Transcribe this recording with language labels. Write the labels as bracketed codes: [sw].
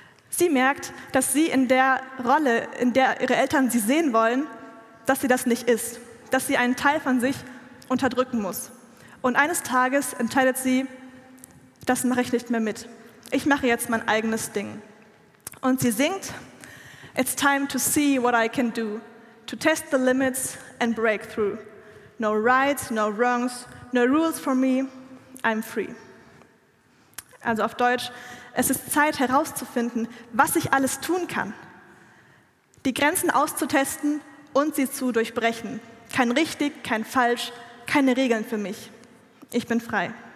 [de] Sie merkt, dass sie in der Rolle, in der ihre Eltern sie sehen wollen, dass sie das nicht ist, dass sie einen Teil von sich unterdrücken muss. Und eines Tages entscheidet sie, das mache ich nicht mehr mit. Ich mache jetzt mein eigenes Ding. Und sie singt, [en] it's time to see what I can do, to test the limits and break through. No rights, no wrongs, no rules for me, I'm free. [de] Also auf Deutsch, es ist Zeit herauszufinden, was ich alles tun kann. Die Grenzen auszutesten und sie zu durchbrechen. Kein richtig, kein falsch, keine Regeln für mich. Ich bin frei.